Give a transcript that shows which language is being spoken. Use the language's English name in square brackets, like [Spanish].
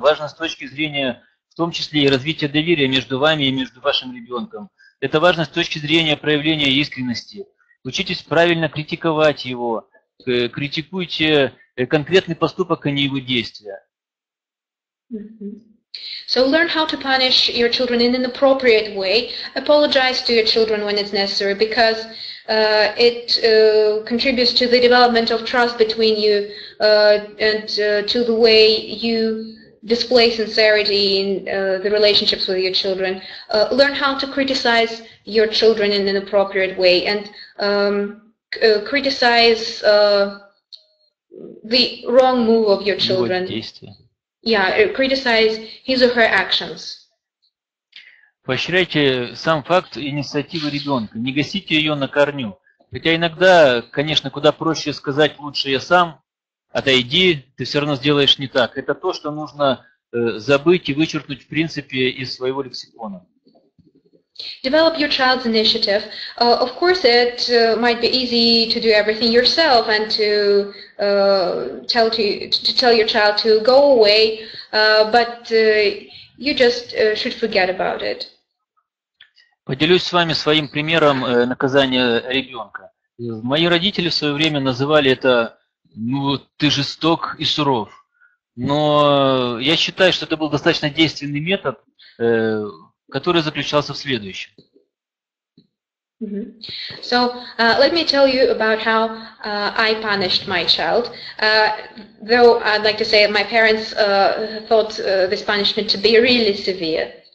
[Russian] Важно с точки зрения, в том числе и развития доверия между вами и между вашим ребенком. Это важно с точки зрения проявления искренности. Учитесь правильно критиковать его. Критикуйте конкретный поступок, а не его действия. [English] So learn how to punish your children in an appropriate way. Apologize to your children when it's necessary, because it contributes to the development of trust between you and to the way you display sincerity in the relationships with your children. Learn how to criticize your children in an appropriate way, and criticize the wrong move of your children. Yeah, criticize his or her actions. [Russian] Поощряйте сам факт инициативы ребенка, не гасите ее на корню. Хотя иногда, конечно, куда проще сказать: лучше я сам, отойди, ты все равно сделаешь не так. Это то, что нужно забыть и вычеркнуть в принципе из своего лексикона. [English] Develop your child's initiative. Of course, it might be easy to do everything yourself and to tell your child to go away, but you just should forget about it. [Russian] Поделюсь с вами своим примером наказания ребенка. Мои родители в свое время называли это: ну, ты жесток и суров. Но я считаю, что это был достаточно действенный метод, который заключался в следующем. Mm-hmm. [English] So, let me tell you about how I punished my child. Though I'd like to say my parents thought this punishment to be really severe.